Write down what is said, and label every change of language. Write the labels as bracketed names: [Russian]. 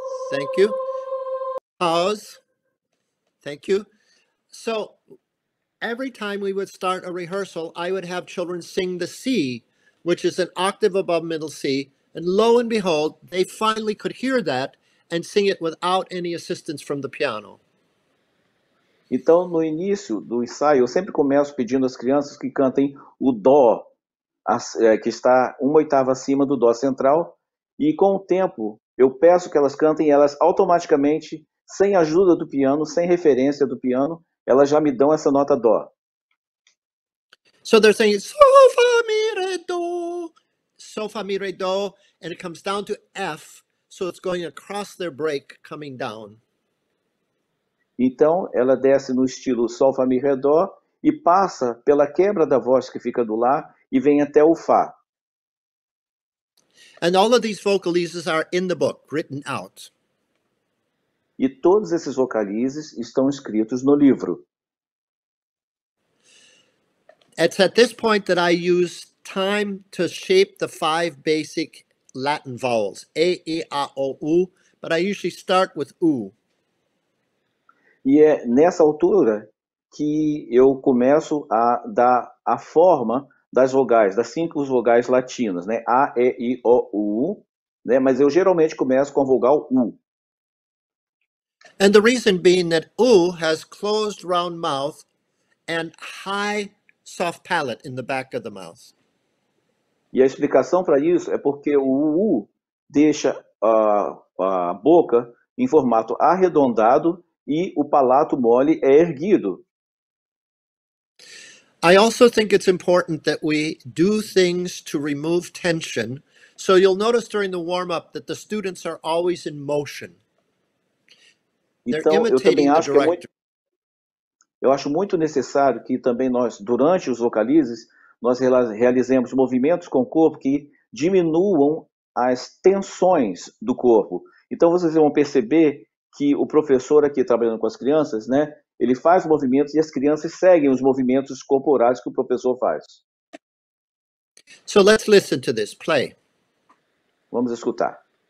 [English] Thank you. Pause. Thank you. So every time we would start a rehearsal, I would have children sing the C, which is an octave above middle C. And lo and behold, they finally could hear that and sing it without any assistance from the piano. [Portuguese] Então, no início do ensaio, eu sempre começo pedindo às crianças que cantem o dó, que está uma oitava acima do dó central, e com o tempo, eu peço que elas cantem, elas automaticamente, sem ajuda do piano, sem referência do piano, elas já me dão essa nota dó. [English] So they're saying, so fa mi re do, so fa mi re do, and it comes down to F, so it's going across their break, coming down. [Portuguese] Então, ela desce no estilo Sol, Fá, Mi, Ré, Dó e passa pela quebra da voz que fica do Lá e vem até o Fá. [English] And all of these vocalizes are in the book, written out. [Portuguese] E todos esses vocalizes estão escritos no livro. [English] It's at this point that I use time to shape the five basic Latin vowels, A, E, A, O, U, but I usually start with U. [Portuguese] E é nessa altura que eu começo a dar a forma das vogais, das cinco vogais latinas, né? A, E, I, O, U, né? Mas eu geralmente começo com a vogal U. [English] And the reason being that U has closed round mouth and high soft palate in the back of the mouth. [Portuguese] E a explicação para isso é porque o uu deixa a boca em formato arredondado e o palato mole é erguido. [English] I also think it's important that we do things to remove tension. So you'll notice during the warm-up that the students are always in motion. [Portuguese] Então, eu também acho que é muito, eu acho muito necessário que também nós, durante os vocalizes, nós realizemos movimentos com o corpo que diminuam as tensões do corpo. Então, vocês vão perceber que o professor aqui trabalhando com as crianças, né, ele faz movimentos e as crianças seguem os movimentos corporais que o professor faz. [English] So let's listen to this play. [Portuguese] Vamos escutar.